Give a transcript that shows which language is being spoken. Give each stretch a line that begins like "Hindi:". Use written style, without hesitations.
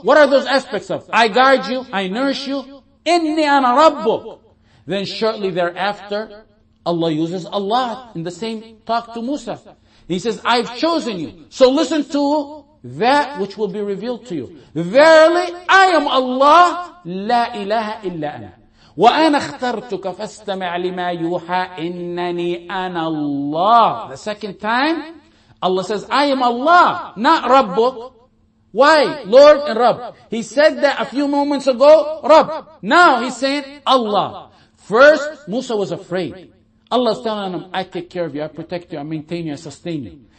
English: What are those aspects of? I guard you. I nourish you.
Arabic: إِنِّي أَنَا رَبُّكَ
English: Then shortly thereafter, Allah uses Allah in the same talk to Musa. He says, I've chosen you. So listen to that which will be revealed to you. Verily, I am Allah.
Arabic: لا إله إلا أنا. وأنا اخترتك فاستمع لما يوحى إنني أنا الله.
English: The second time, Allah says, I am Allah, not Rabbuk. Why? Lord and Rabb. He said that a few moments ago, Rabb. Now he's saying Allah. First, Musa was afraid. Allah is telling him, I take care of you, I protect you, I maintain you, I sustain you.